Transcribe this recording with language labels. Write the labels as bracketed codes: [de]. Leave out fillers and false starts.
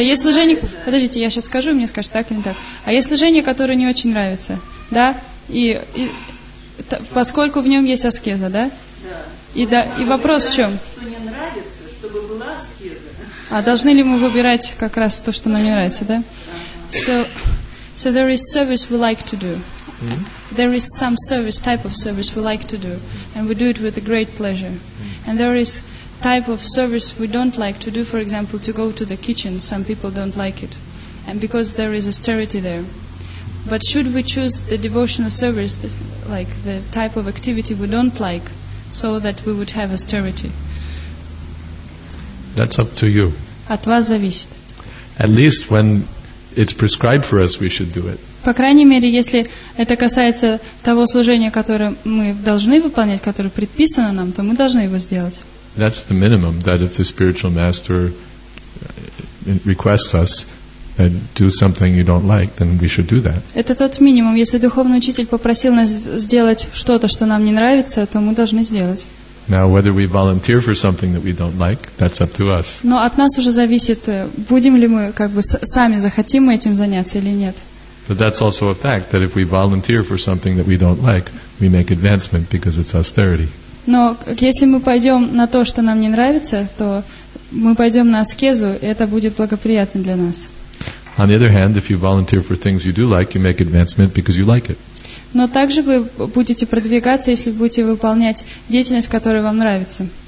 [ru] А есть служение, подождите, я сейчас скажу, мне скажут так или не так. А есть служение, которое не очень нравится, да? И поскольку в нем есть аскеза, да? Да. И вопрос в чем? Что не нравится, чтобы была аскеза. А должны ли мы выбирать как раз то, что нам не нравится, да? [en] So there is service we like to do. Mm-hmm. There is some service, type of service we like to do, and we do it with a great pleasure. Mm-hmm. And there is type of service we don't like to do, for example, to go to the kitchen. Some people don't like it, and because there is austerity there. But should we choose the devotional service, like the type of activity we don't like, so that we would have austerity? That's up to you. [ru] От вас зависит. [en] At least when it's prescribed for us, we should do it. [ru] По крайней мере, если это касается того служения, которое мы должны выполнять, которое предписано нам, то мы должны его сделать. [en] That's the minimum, that if the spiritual master requests us and do something you don't like, then we should do that. [ru] Это тот минимум. Если духовный учитель попросил нас сделать что-то, что нам не нравится, то мы должны сделать. [en] Now, whether we volunteer for something that we don't like, that's up to us. [ru] Но от нас уже зависит, будем ли мы как бы сами захотим мы этим заняться или нет. [en] But that's also a fact that if we volunteer for something that we don't like, we make advancement because it's austerity. [ru] Но если мы пойдем на то, что нам не нравится, то мы пойдем на аскезу, и это будет благоприятно для нас. [en] On the other hand, if you volunteer for things you do like, you make advancement because you like it. [ru] Но также вы будете продвигаться, если будете выполнять деятельность, которая вам нравится.